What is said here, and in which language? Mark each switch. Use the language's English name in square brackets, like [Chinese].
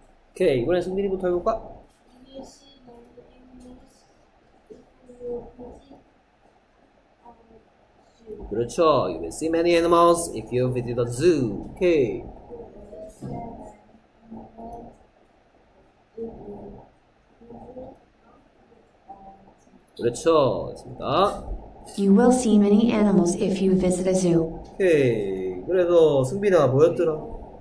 [Korean] 오케이, 이번엔 승진이부터 해볼까? [English] You will see many animals if you visit a zoo. [Korean] 그렇죠. [English] You will see many animals if you visit a zoo. [Korean] 오케이. 그렇죠. 있습니다. [English] You will see many animals if you visit a zoo. [Korean] 오케이. 그래서 승빈아 뭐였더라?